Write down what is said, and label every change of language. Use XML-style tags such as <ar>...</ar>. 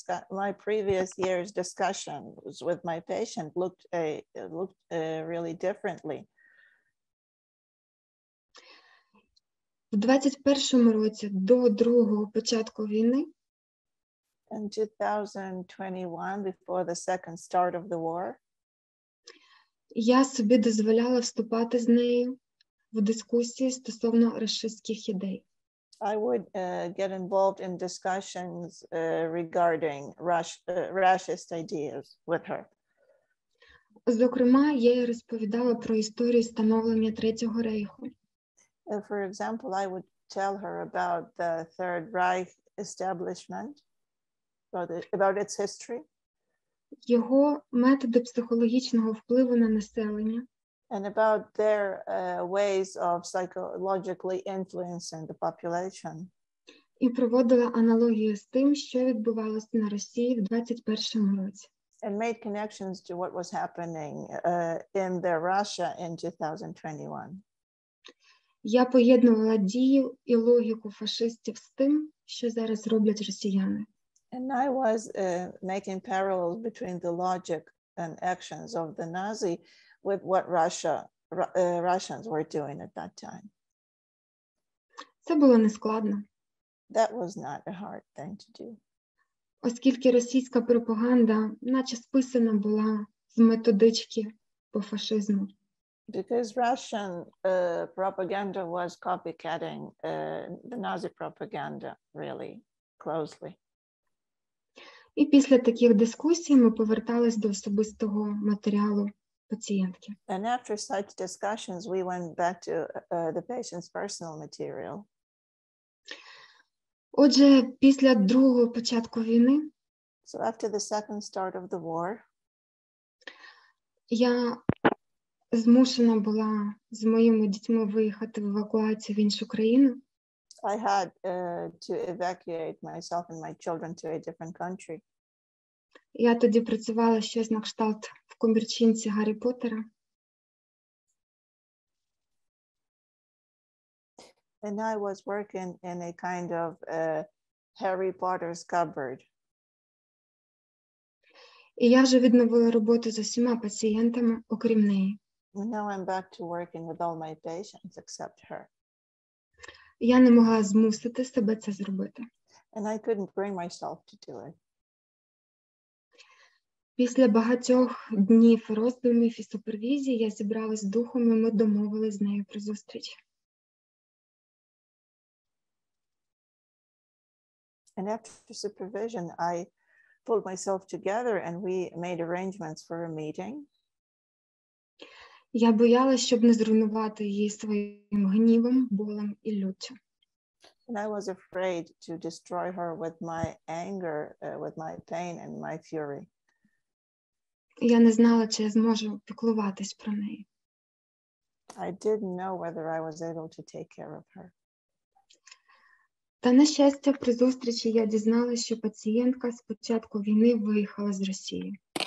<en>My previous year's discussions with my patient looked really differently.</en> <uk>У 21-му році до другого початку війни.</uk> <en>In 2021, before the second start of the war.</en> <uk>Я собі дозволяла вступати з нею в дискусії стосовно расистських ідей.</uk> <en>I would get involved in discussions regarding racist ideas with her.</en> <uk>Зокрема, я їй розповідала про історію становлення Третього Рейху.</uk> <en>For example, I would tell her about the Third Reich establishment, about its history.</en> <uk>Його методи психологічного впливу на населення.</uk> <en>And about their ways of psychologically influencing the population.</en> <uk>І проводила аналогію з тим, що відбувалося на Росії в 21-му році.</uk> <en>And made connections to what was happening in their Russia in 2021.</en> <uk>Я поєднувала дії і логіку фашистів з тим, що зараз роблять росіяни.</uk> <en>And I was making parallels between the logic and actions of the Nazi with what Russians were doing at that time.</en> <uk>Це було нескладно.</uk> <en>That was not a hard thing to do.</en> <uk>Оскільки російська пропаганда наче списана була з методички по фашизму.</uk> <en>Because Russian propaganda was copycatting the Nazi propaganda really closely.</en> <uk>І після таких дискусій ми повертались до особистого матеріалу пацієнтки.</uk> <en>And after such discussions, we went back to the patient's personal material.</en> <uk>Отже, після другого початку війни,</uk> <en>so after the second start of the war,</en> <uk>я змушена була з моїми дітьми виїхати в евакуацію в іншу країну.</uk> <en>I had to evacuate myself and my children to a different country.</en> <uk>Я тоді працювала щось на кшталт в комірчинці Гаррі Поттера.</uk> <en>And I was working in a kind of Harry Potter's cupboard.</en> <uk>І я вже відновила роботу з усіма пацієнтами, окрім неї.</uk> <en>And now I'm back to working with all my patients except her.</en> <uk>Я не могла змусити себе це зробити.</uk> <en>And I couldn't bring myself to do it.</en> <uk>Після багатьох днів роздумів і супервізії я зібралась з духом, і ми домовились з нею про зустріч.</uk> <en>And after supervision, I pulled myself together and we made arrangements for a meeting.</en> <uk>Я боялась, щоб не зруйнувати її своїм гнівом, болем і люттям.</uk> <en>And I was afraid to destroy her with my anger, with my pain and my fury.</en> <uk>Я не знала, чи я зможу піклуватись про неї.</uk> <en>I didn't know whether I was able to take care of her.</en> <uk>Та, на щастя, при зустрічі я дізналась, що пацієнтка з початку війни виїхала з Росії.</uk>